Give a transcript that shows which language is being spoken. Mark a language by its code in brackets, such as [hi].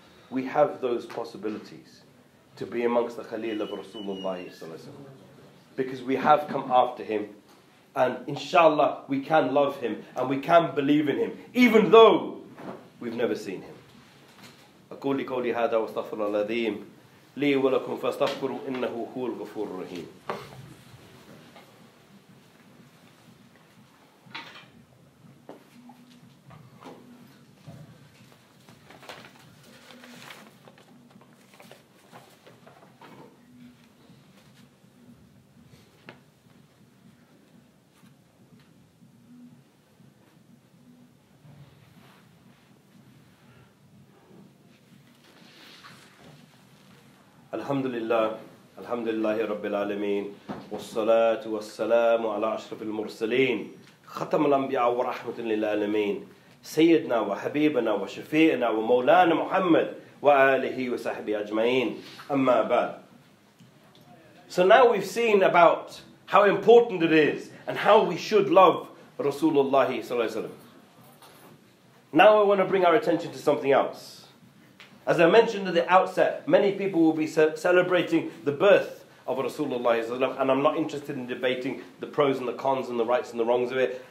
[en] We have those possibilities to be amongst the Khalil of Rasulullah, because we have come after him And inshallah, we can love him and we can believe in him, even though we've never seen him. [ar] أقول قولي هذا واستغفر الله العظيم لي ولكم فاستغفروا إنه هو الغفور الرحيم. الحمد لله الحمد لله رب العالمين والصلاة والسلام على أشرف المرسلين ختم الأنبياء ورحمة للعالمين سيدنا وحبيبنا وشفيعنا ومولانا محمد وآله وصحبه أجمعين أما بعد. [en] So now we've seen about how important it is and how we should love Rasulullah صلى الله عليه وسلم. Now I want to bring our attention to something else. As I mentioned at the outset, many people will be celebrating the birth of Rasulullah SAW, and I'm not interested in debating the pros and the cons and the rights and the wrongs of it.